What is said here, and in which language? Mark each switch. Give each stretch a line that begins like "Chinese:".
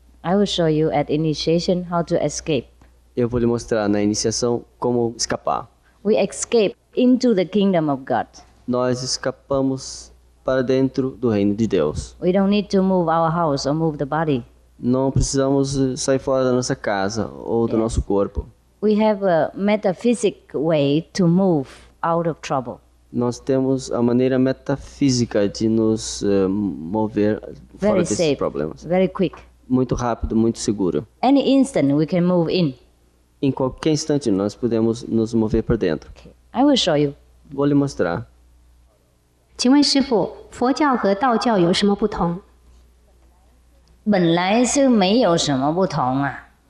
English: I will show you at initiation how to escape.
Portuguese: Eu vou lhe mostrar na iniciação como escapar.
English: We escape into the kingdom of God.
Portuguese: Nós escapamos para dentro do reino de Deus.
English: We don't need to move our house or move the body.
Portuguese: Não precisamos sair fora da nossa casa ou do nosso corpo.
English: We have a metaphysic way to move out of trouble.
Portuguese: Nós temos a maneira metafísica de nos mover
English: very
Portuguese: fora desses problemas.
English: Very quick.
Portuguese: Muito rápido, muito seguro.
English: Any instant we can move in.
Portuguese: Em qualquer instante nós podemos nos mover para dentro.
English: Okay. I will show you.
Portuguese: Vou lhe mostrar.
Chinese: 请问师父, 佛教和道教有什么不同? 本来是没有什么不同啊。